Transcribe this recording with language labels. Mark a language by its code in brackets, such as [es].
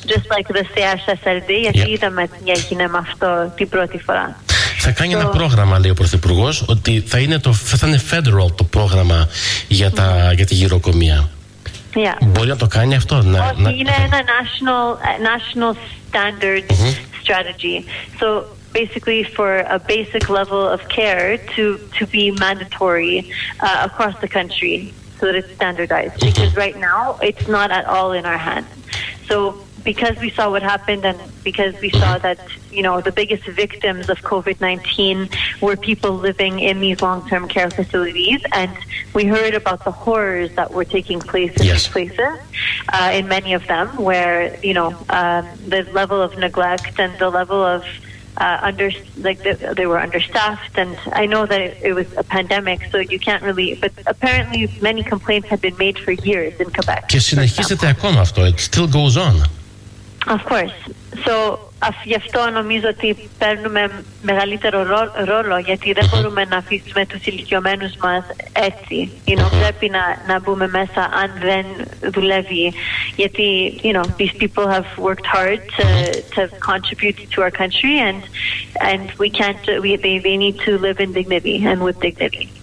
[en] Just like the CHSLD, [el] γιατί είδαμε τι έγινε με αυτό την πρώτη φορά. Θα κάνει ένα πρόγραμμα, λέει ο Πρωθυπουργός, ότι θα είναι, θα είναι federal το πρόγραμμα για, για τη γυροκομεία. [en] Yeah. [el] Μπορεί να το κάνει αυτό. Να, είναι ένα [en] national standard strategy. So basically for a basic level of care to be mandatory across the country so that it's standardized. Because right now it's not at all in our hands. So because we saw what happened and because we saw that, you know, the biggest victims of COVID-19 were people living in these long-term care facilities, and we heard about the horrors that were taking place in these places, in many of them, where, you know, the level of neglect and the level of they were understaffed, and I know that it was a pandemic, so you can't really. But apparently, many complaints had been made for years in Quebec. [el] Και συνεχίζεται ακόμα αυτό. [en] It still goes on. Of course. [el] So, γι' αυτό νομίζω ότι παίρνουμε μεγαλύτερο ρόλο, γιατί δεν μπορούμε να αφήσουμε τους ηλικιωμένους μας έτσι. You know, πρέπει να μπούμε μέσα αν δεν δουλεύει. Γιατί, [en] you know, these people have worked hard to contribute to our country, and we can't, they need to live in dignity and with dignity.